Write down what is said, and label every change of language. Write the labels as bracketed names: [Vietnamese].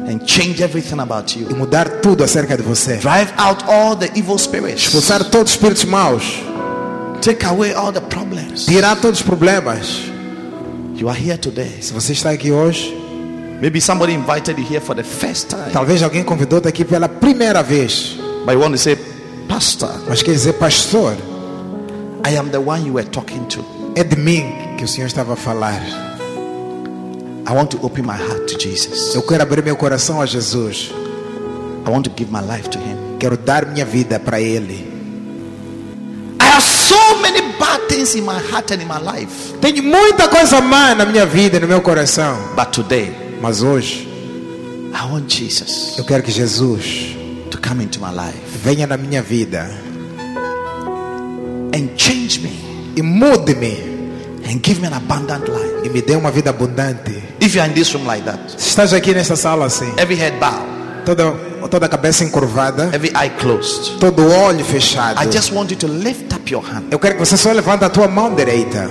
[English] And change everything about you. [Portuguese] E mudar tudo acerca de você. [English] Drive out all the evil spirits. [Portuguese] Expulsar todos os espíritos maus. [English] Take away all the problems. [Portuguese] Tirar todos os problemas. [English] You are here today. [Portuguese] Se você está aqui hoje, [English] Maybe somebody invited you here for the first time. [Portuguese] Talvez alguém convidou-te aqui pela primeira vez. [English] But you want to say, pastor. [Portuguese] Mas quer dizer pastor. [English] I am the one you were talking to. [Portuguese] É de mim que o Senhor estava a falar. [English] I want to open my heart to Jesus. [Portuguese] Eu quero abrir meu coração a Jesus. [English] I want to give my life to him. [Portuguese] Quero dar minha vida para ele. [English] I have so many bad things in my heart and in my life. [Portuguese] Tenho muita coisa má na minha vida e no meu coração. [English] But today, [Portuguese] mas hoje, [English] I want Jesus. [Portuguese] Eu quero que Jesus [English] to come into my life. [Portuguese] Venha na minha vida. [English] And change me. [Portuguese] E mude-me. [English] And give me an abundant life. [Portuguese] E me dê uma vida abundante. [English] If you are in this room like that. [Portuguese] Se estás aqui nesta sala assim. [English] Every head bow. [Portuguese] Toda cabeça encurvada. [English] Every eye closed. [Portuguese] Todo olho fechado. [English] I just want you to lift up your hand. [Portuguese] Eu quero que você só levante a tua mão direita.